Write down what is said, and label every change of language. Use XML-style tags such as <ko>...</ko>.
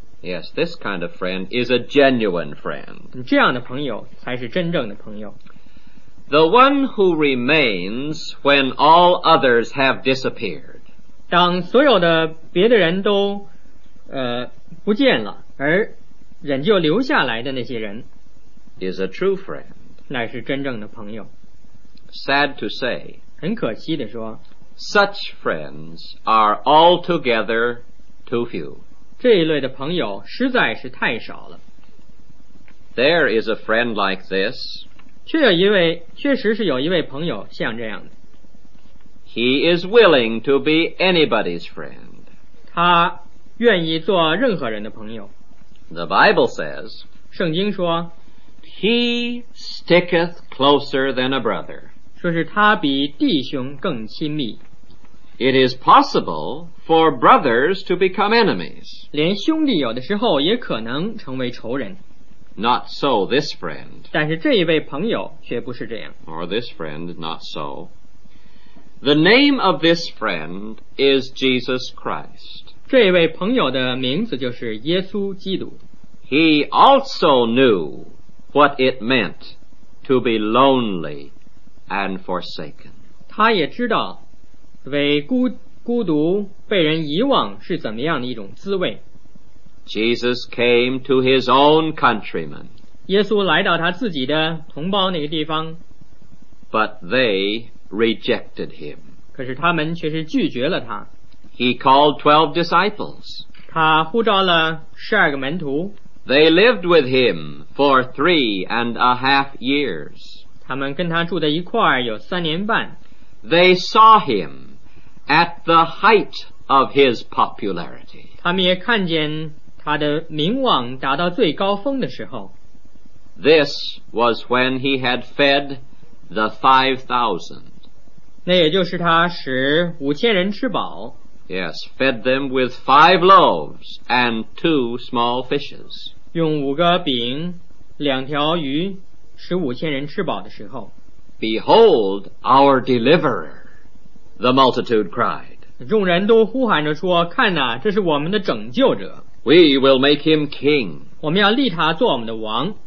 <en>Yes, this kind of friend is a genuine friend.</en> <zh>这样的朋友才是真正的朋友。</zh> <en>The one who remains when all others have disappeared.</en> <zh>当所有的别的人都不见了，而仍旧留下来的那些人</zh> <en>is a true friend.</en> <zh>乃是真正的朋友。</zh> <en>Sad to say,</en> <zh>很可惜地说,</zh> <en>such friends are altogether too few.</en> <zh>这一类的朋友实在是太少了。</zh> <en>There is a friend like this.</en> <zh>确实是有一位朋友像这样的。</zh> <en>He is willing to be anybody's friend.</en> <zh>他愿意做任何人的朋友。</zh> <en>The Bible says,</en> <zh>圣经说,</zh> <en>He sticketh closer than a brother.</en> <zh>说是他比弟兄更亲密。</zh> <en>It is possible for brothers to become enemies.</en> <zh>连兄弟有的时候也可能成为仇人。</zh> <en>Not so this friend.</en> <zh>但是这一位朋友却不是这样。</zh> <en>Or this friend, not so. The name of this friend is Jesus Christ.</en> <zh>这一位朋友的名字就是耶稣基督。</zh> <en>He also knew what it meant to be lonely and forsaken.</en> <zh>他也知道为 孤独被人遗忘是怎么样的一种滋味。</zh> <en>Jesus came to his own countrymen.</en> <zh>耶稣来到他自己的同胞那个地方。</zh> <en>But they rejected him.</en> <zh>可是他们却是拒绝了他。</zh> <en>He called 12 disciples.</en> <zh>他呼召了十二个门徒。</zh> <en>They lived with him for 3.5 years.</en> <zh>他们跟他住在一块有3.5年。</zh> <en>They saw him at the height of his popularity.</en> <zh>他们也看见他的名望达到最高峰的时候。</zh> <en>This was when he had fed the 5,000.</en> <zh>那也就是他使5,000人吃饱。</zh> <en>Yes, fed them with 5 loaves and 2 small fishes.</en> <zh>用5个饼、2条鱼使5,000人吃饱的时候。</zh> <en>Behold our deliverer, the multitude cried.</en> <zh>众人都呼喊着说，看哪，这是我们的拯救者。</zh> <en>We will make him king.</en> <zh>我们要立他做我们的王。</zh>